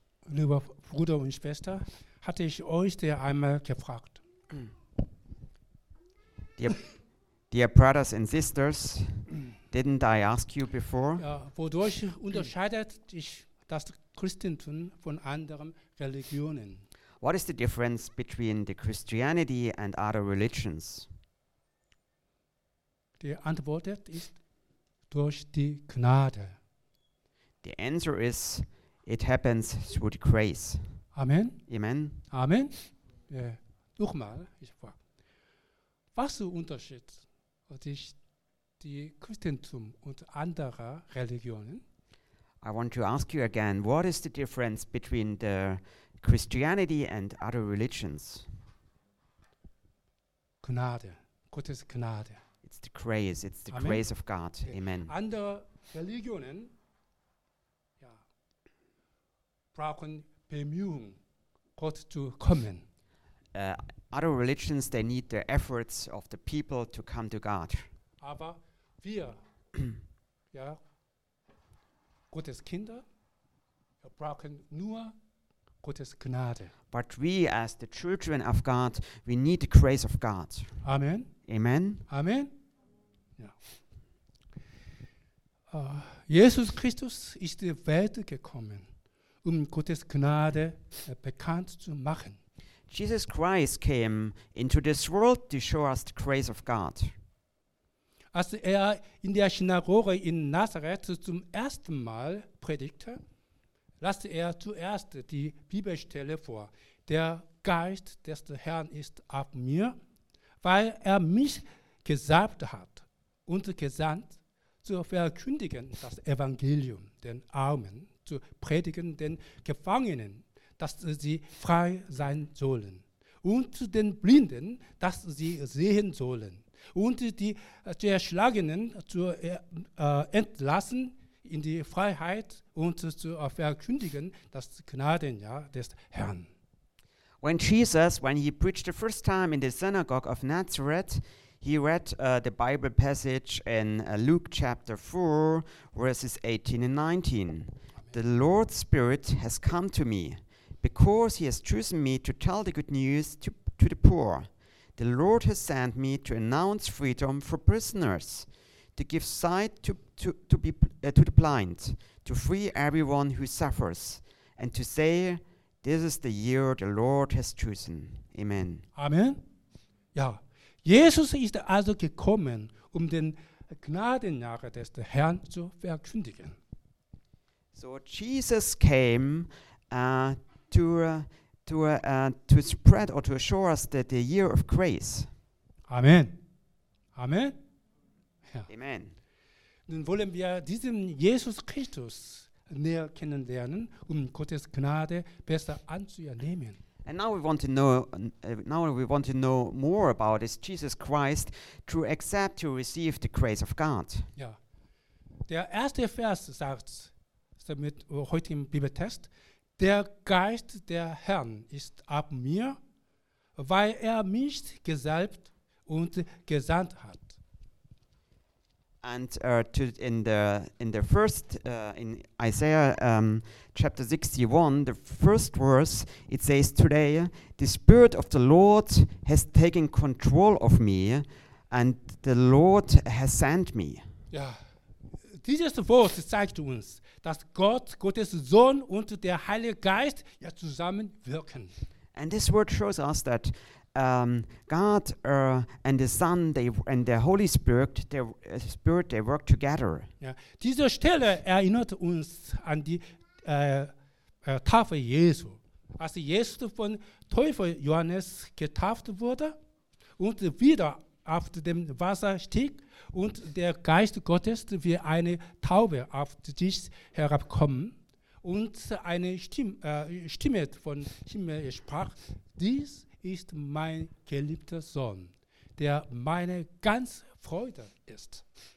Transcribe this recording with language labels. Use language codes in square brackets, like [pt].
[de] Lieber Bruder und Schwester, hatte ich euch der einmal gefragt. [en] Dear brothers and sisters, didn't I ask you before? [de] Ja, wodurch unterscheidet sich das Christentum von anderen Religionen? [en] What is the difference between the Christianity and other religions? [de] Die Antwort ist durch die Gnade. [en] The answer is it happens through the grace. Amen. Amen. [de] Amen. Ja. Nochmal, ich frage. Was ist der Unterschied zwischen dem Christentum und anderen Religionen? [en] I want to ask you again, what is the difference between the Christianity and other religions? [de] Gnade, Gottes Gnade. [en] It's the grace, Amen. Grace of God. Okay. Amen. [de] Andere Religionen brauchen Bemühung, Gott zu kommen. [en] Other religions, they need the efforts of the people to come to God. [de] Aber wir, ja, Gottes Kinder, wir brauchen nur Gottes Gnade. [en] But we, as the children of God, we need the grace of God. Amen. Amen. [de] Amen. Ja. Jesus Christus ist in die Welt gekommen, Gottes Gnade bekannt zu machen. [en] Jesus Christ came into this world to show us the grace of God. [de] Als in der Synagoge in Nazareth zum ersten Mal predigte, lasste zuerst die Bibelstelle vor. Der Geist des Herrn ist auf mir, weil mich gesalbt hat und gesandt, zu verkündigen das Evangelium den Armen, zu predigen den Gefangenen, dass sie frei sein sollen, und zu den Blinden, dass sie sehen sollen, und die Zerschlagenen zu entlassen in die Freiheit und zu verkündigen das Gnadenjahr des Herrn. [en] When Jesus, when he preached the first time in the synagogue of Nazareth, he read the Bible passage in Luke chapter 4, verses 18 and 19. The Lord's Spirit has come to me, because he has chosen me to tell the good news to the poor. The Lord has sent me to announce freedom for prisoners, to give sight to the blind, to free everyone who suffers, and to say, this is the year the Lord has chosen. Amen. [de] Amen. Ja. Jesus ist also gekommen, den Gnadenjahr des Herrn zu verkündigen. [en] So Jesus came to spread or to show us the year of grace. Amen. Amen. [de] Ja. Amen. Nun wollen wir diesen Jesus Christus näher kennenlernen, Gottes Gnade besser anzunehmen. [en] And now we want to know more about this Jesus Christ to accept to receive the grace of God. Yeah. [de] Der erste Vers sagt, mit heutigem Bibeltest, der Geist der Herrn ist ab mir, weil mich gesalbt und gesandt hat. [en] And in Isaiah chapter 61, the first verse, it says, today the Spirit of the Lord has taken control of me and the Lord has sent me. [de] Ja, dieses Wort zeigt uns, dass Gottes Sohn und der Heilige Geist ja zusammenwirken. [en] And this word shows us that God and the Son and the Holy Spirit, they work together. [de] Ja, diese Stelle erinnert uns an die Taufe Jesu, als Jesus von Teufel Johannes getauft wurde und wieder auf dem Wasser stieg und der Geist Gottes wie eine Taube auf sich herabkommen und eine Stimme von Himmel sprach, dies ist mein geliebter Sohn, der meine ganze Freude ist.